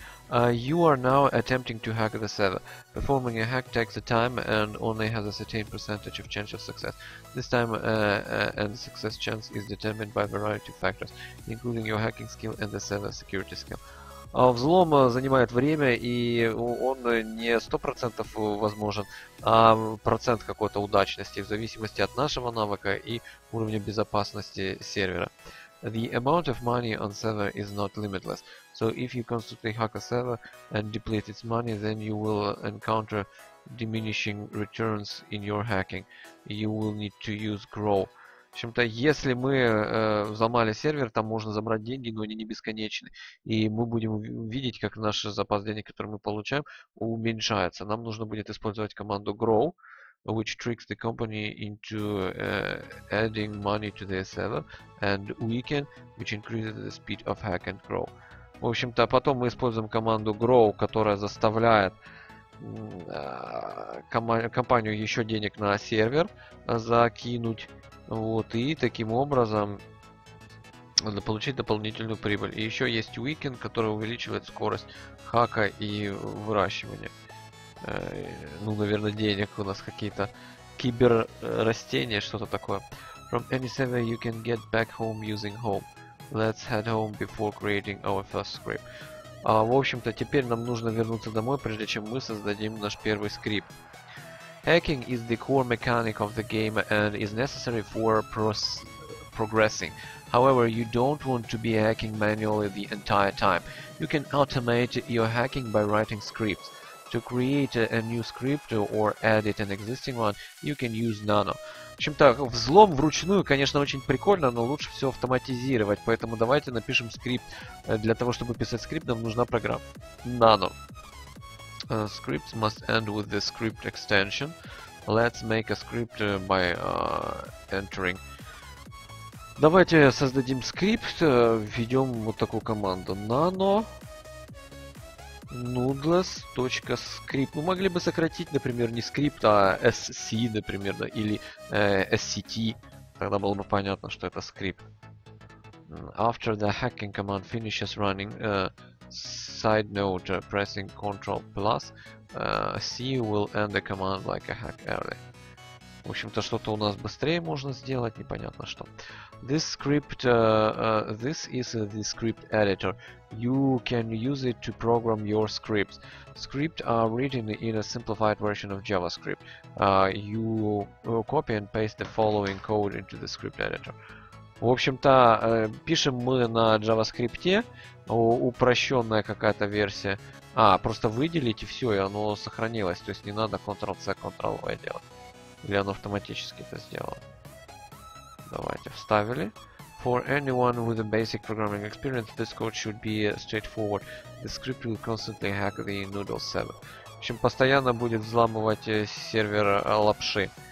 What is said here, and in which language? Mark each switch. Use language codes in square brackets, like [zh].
[en] You are now attempting to hack the server. Performing a hack takes a time and only has a certain percentage of chance of success. This time and success chance is determined by a variety of factors, including your hacking skill and the server security skill. [ru] Взлом занимает время, и он не 100% возможен, а процент какой-то удачности в зависимости от нашего навыка и уровня безопасности сервера. [en] The amount of money on server is not limitless. So if you constantly hack a server and deplete its money, then you will encounter diminishing returns in your hacking. You will need to use grow. [ru] В общем-то, если мы взломали сервер, там можно забрать деньги, но они не бесконечны. И мы будем видеть, как наш запас денег, который мы получаем, уменьшается. Нам нужно будет использовать команду grow, [en] which tricks the company into adding money to their server, and weaken, which increases the speed of hack and grow. [ru] В общем-то, потом мы используем команду grow, которая заставляет компанию еще денег на сервер закинуть. Вот, и таким образом надо получить дополнительную прибыль. И еще есть Weekend, который увеличивает скорость хака и выращивания. Ну, наверное, денег у нас какие-то киберрастения, что-то такое. [en] From any server you can get back home using home. Let's head home before creating our first script. [ru] А, в общем-то, теперь нам нужно вернуться домой, прежде чем мы создадим наш первый скрипт. [en] Hacking is the core mechanic of the game and is necessary for progressing. However, you don't want to be hacking manually the entire time. You can automate your hacking by writing scripts. To create a new script or edit an existing one, you can use Nano. [ru] В общем-то, взлом вручную, конечно, очень прикольно, но лучше все автоматизировать. Поэтому давайте напишем скрипт. Для того, чтобы писать скрипт, нам нужна программа Nano. [en] Scripts must end with the script extension. Let's make a script by entering. [ru] Давайте создадим скрипт, введем вот такую команду nano noodles.script. Мы могли бы сократить, например, не скрипт, а sc, например, да, или sct. Тогда было бы понятно, что это скрипт. [en] After the hacking command finishes running, side note, pressing Ctrl plus C will end the command like a hack early. [ru] В общем-то, что-то у нас быстрее можно сделать, непонятно что. [en] This script, this is the script editor. You can use it to program your scripts. Scripts are written in a simplified version of JavaScript. You copy and paste the following code into the script editor. [ru] В общем-то, пишем мы на JavaScript, упрощенная какая-то версия. А, просто выделите все, и оно сохранилось. То есть не надо Ctrl-C, Ctrl-V делать. Или оно автоматически это сделало. Давайте, вставили. [en] For anyone with a basic programming experience, this code should be straightforward. The script will constantly hack the Noodle 7. [ru] В общем, постоянно будет взламывать сервер лапши.